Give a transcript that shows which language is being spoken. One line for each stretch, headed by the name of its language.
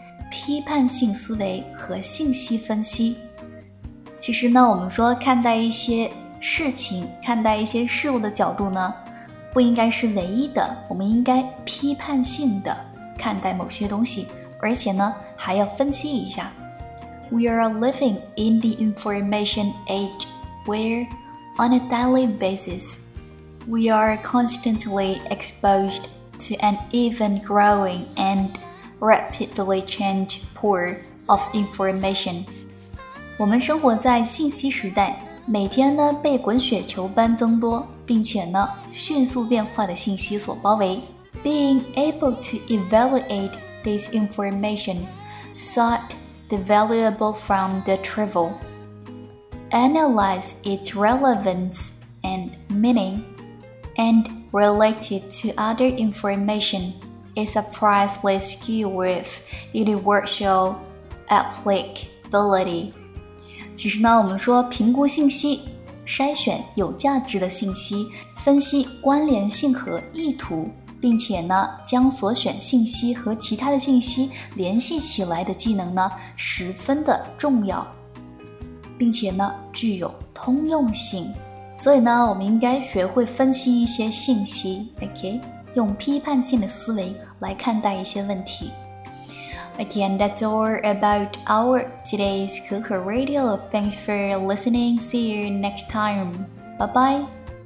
Chinese: 批判性思维和信息分析。其实呢，我们说看待一些事情，看待一些事物的角度呢，不应该是唯一的，我们应该批判性的看待某些东西，而且呢，还要分析一下。
English: We are living in the information age where, on a daily basis, we are constantly exposed to an ever growing and rapidly changing pool of information.
Chinese: 我们生活在信息时代，每天呢被滚雪球般增多，并且呢迅速变化的信息所包围。
English: Being able to evaluate this information sought. The valuable from the trivial. Analyze its relevance and meaning, and relate it to other information is a priceless skill with universal applicability.
Chinese: 其实呢，我们说评估信息，筛选有价值的信息，分析关联性和意图，并且呢，将所选信息和其他的信息联系起来的技能呢，十分的重要，并且呢，具有通用性。所以呢，我们应该学会分析一些信息 ，OK， 用批判性的思维来看待一些问题。
English: Okay, and that's all about our today's Kuku Radio. Thanks for listening. See you next time. Bye bye.